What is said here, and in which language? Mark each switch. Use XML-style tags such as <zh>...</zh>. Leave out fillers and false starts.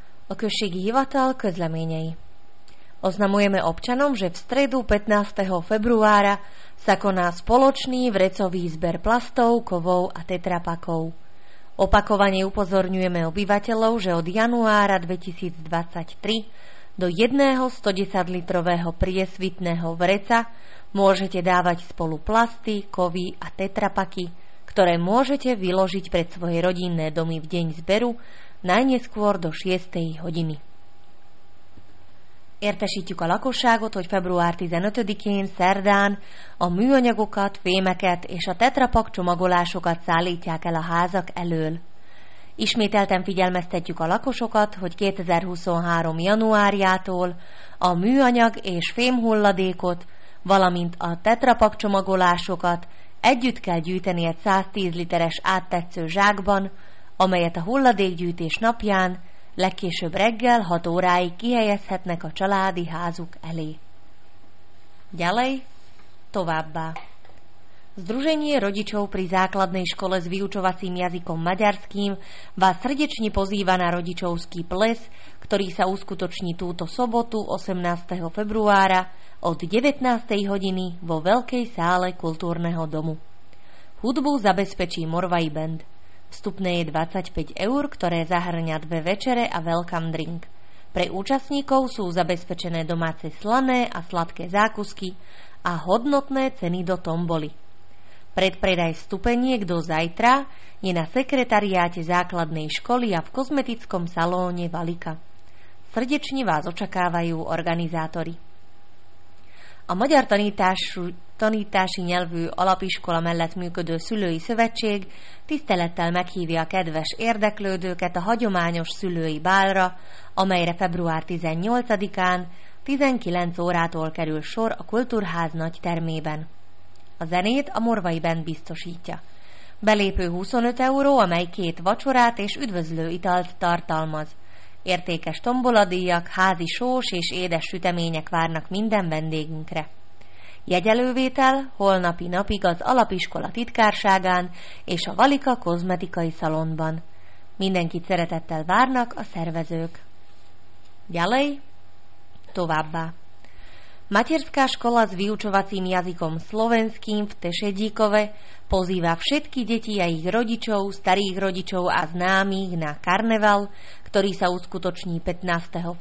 <hu>Okršik hivatal közleményei.</hu> <sk>Oznamujeme občanom, že v stredu 15. februára sa koná spoločný vrecový zber plastov, kovov a tetrapakov. Opakovane upozorňujeme obyvateľov, že od januára 2023 do jedného 110-litrového priesvitného vreca môžete dávať spolu plasty, kovy a tetrapaky, ktoré môžete vyložiť pred svoje rodinné domy v deň zberu najneskôr do 6. hodiny.</sk> <hu>Értesítjük a lakosságot, hogy február 15-én, szerdán a műanyagokat, fémeket és a tetrapak csomagolásokat szállítják el a házak elől. Ismételten figyelmeztetjük a lakosokat, hogy 2023. januárjától a műanyag és fém hulladékot, valamint a tetrapak csomagolásokat együtt kell gyűjteni egy 110 literes áttetsző zsákban, amelyet a hulladékgyűjtés napján legkésőbb reggel 6 óráig kihelyezhetnek a családi házuk elé.</hu> <sk>Ďalej,</sk> <hu>továbbá.</hu> <sk>Združenie rodičov pri základnej škole s vyučovacím jazykom maďarským vás srdečne pozýva na rodičovský ples, ktorý sa uskutoční túto sobotu 18. februára od 19. hodiny vo Veľkej sále kultúrneho domu. Hudbu zabezpečí Morvai Band. Vstupné je 25 eur, ktoré zahŕňa dve večere a welcome drink. Pre účastníkov sú zabezpečené domáce slané a sladké zákusky a hodnotné ceny do tomboly. Predpredaj vstupeniek do zajtra je na sekretariáte základnej školy a v kozmetickom salóne Valika. Srdečne vás očakávajú organizátori.</sk> <hu>A Magyar Tanítási Nyelvű Alapiskola mellett működő szülői szövetség tisztelettel meghívja a kedves érdeklődőket a hagyományos szülői bálra, amelyre február 18-án 19 órától kerül sor a Kultúrház nagy termében. A zenét a Morvai Band biztosítja. Belépő 25 euró, amely két vacsorát és üdvözlő italt tartalmaz. Értékes tomboladíjak, házi sós és édes sütemények várnak minden vendégünkre. Jegyelővétel holnapi napig az alapiskola titkárságán és a Valika kozmetikai szalonban. Mindenkit szeretettel várnak a szervezők.</hu> <sk>Ďalej,</sk> <hu>továbbá.</hu> <sk>Materská škola s vyučovacím jazykom slovenským v Tešedíkove pozýva všetky deti a ich rodičov, starých rodičov a známych na karneval, ktorý sa uskutoční 15.</sk>